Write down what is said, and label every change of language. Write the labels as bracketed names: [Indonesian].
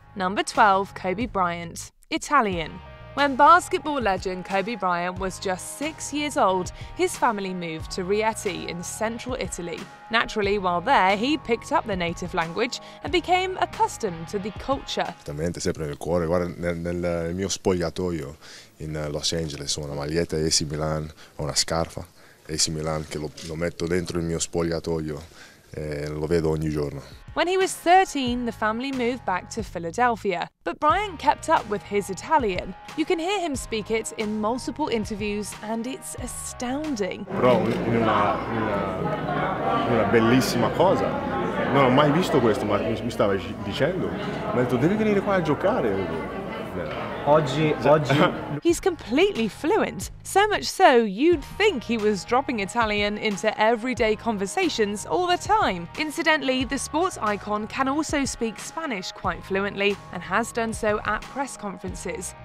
[English] Number 12, Kobe Bryant, Italian. When basketball legend Kobe Bryant was just 6 years old, his family moved to Rieti in central Italy. Naturally, while there, he picked up the native language and became accustomed to the culture. [Italian] Certamente, sempre nel cuore. Guarda, nel mio spogliatoio in Los Angeles, una maglietta AC Milan, una scarpa. AC Milan, che lo metto dentro il mio spogliatoio, lo vedo ogni giorno. [English] When he was 13, the family moved back to Philadelphia, but Bryant kept up with his Italian. You can hear him speak it in multiple interviews, and it's astounding. [Italian] Però è una bellissima cosa. Non ho mai visto questo, ma mi stava dicendo. Mi ha detto, devi venire qua a giocare. Oggi. [English] He's completely fluent, so much so you'd think he was dropping Italian into everyday conversations all the time. Incidentally, the sports icon can also speak Spanish quite fluently and has done so at press conferences.